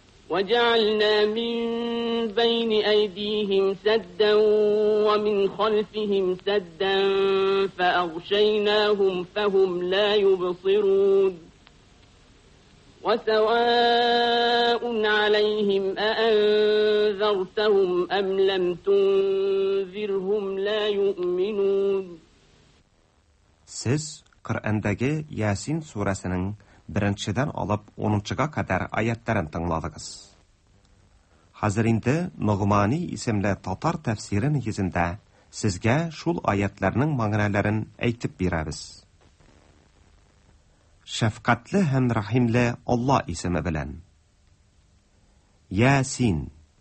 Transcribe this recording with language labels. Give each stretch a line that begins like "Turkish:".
Arabic: وجعلنا من بين أيديهم سدا ومن خلفهم سدا فأغشيناهم فهم لا يبصرون وسواء عليهم أأنذرتهم أم لم تنذرهم لا يؤمنون
Tatar: سيز قرآندگي ياسين سورسنن برنشدن алып 10-чыга кадар аяттарын тыңладыгыз. Hazirinde Nuğmani isimli Tatar tefsiri nigizinde sizge şul ayetlerinin mağınalarını eytip birebiz. Şefkatli hem rahimli Allah isimi bilen. Yasin.